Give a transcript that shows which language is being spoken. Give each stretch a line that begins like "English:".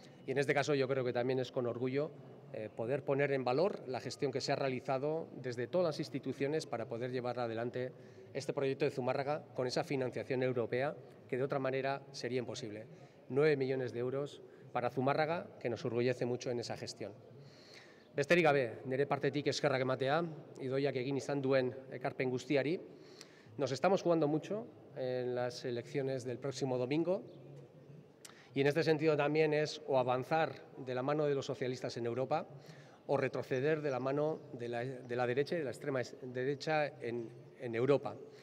Spanish: Y en este caso yo creo que también es con orgullo poder poner en valor la gestión que se ha realizado desde todas las instituciones para poder llevar adelante este proyecto de Zumárraga con esa financiación europea que de otra manera sería imposible. 9 millones de euros para Zumárraga, que nos orgullece mucho en esa gestión.
Basque: Besterik gabe, nire partetik eskerrak ematea, Idoiak egin izan duen ekarpen guztiari.
Spanish: Nos estamos jugando mucho en las elecciones del próximo domingo Y en este sentido también es o avanzar de la mano de los socialistas en Europa o retroceder de la mano de la derecha y de la extrema derecha en Europa.